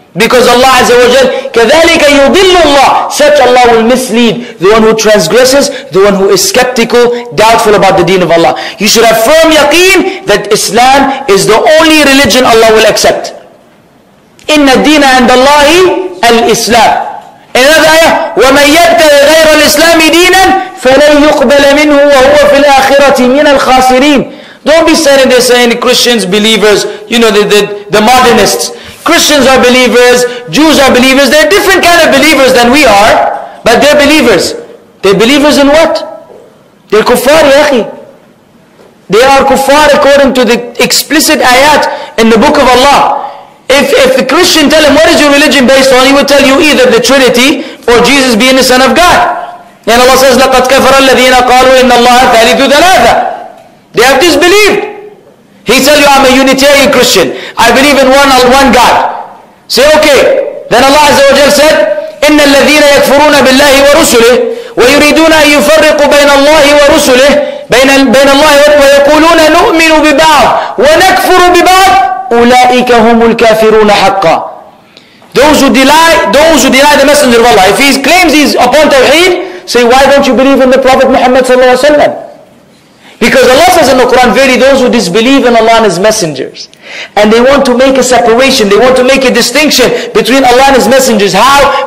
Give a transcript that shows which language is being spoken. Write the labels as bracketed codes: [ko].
[en] Because Allah Azza wa Jal, [ar] كَذَلِكَ يُضِلُّ اللَّهِ, [en] such Allah will mislead the one who transgresses, the one who is skeptical, doubtful about the deen of Allah. You should have firm yaqeen that Islam is the only religion Allah will accept. [ar] إِنَّ الدِّينَ عَنْدَ اللَّهِ الْإِسْلَامِ. [en] In another ayah, [ar] وَمَنْ يَبْتَغِ غَيْرَ الْإِسْلَامِ دِينًا فَلَنْ يُقْبَلَ مِنْهُ وَهُوَ فِي الْآخِرَةِ مِنَ الْخَاسِرِينَ. [en] Don't be standing there saying Christians, believers, you know, the modernists. Christians are believers, Jews are believers, they're different kind of believers than we are, but they're believers. They're believers in what? They're kuffar, ya akhi. They are kuffar according to the explicit ayat in the book of Allah. If the Christian tell him, what is your religion based on? He would tell you either the Trinity or Jesus being the Son of God. And Allah says, [ar] لَقَدْ كَفَرَ الَّذِينَ قَالُوا إِنَّ اللَّهَ ثَالِثُ ثَلَاثَ. [en] They have disbelieved. He tell you, I'm a Unitarian Christian. I believe in one God. Say, okay. Then Allah Azza wa Jal said, [ar] إِنَّ الَّذِينَ يَكْفُرُونَ بِاللَّهِ وَرُسُلِهِ وَيُرِيدُونَ أَن يُفَرِّقُوا بَيْنَ اللَّهِ وَرُسُلِهِ بَيْنَ اللَّهِ وَيَقُولُونَ نُؤْمِنُ بِبَعْضٍ وَنَكْفُرُ بِبَعْضٍ أُولَٰئِكَ هُمُ الْكَافِرُونَ حَقًّا. [en] Those who deny the Messenger of Allah, if he claims he's upon Tawheed, say, why don't you believe in the Prophet Muhammad sallallahu alayhi wa sallam? Because Allah says in the Quran, verily those who disbelieve in Allah and His messengers, and they want to make a separation, they want to make a distinction between Allah and His messengers. How?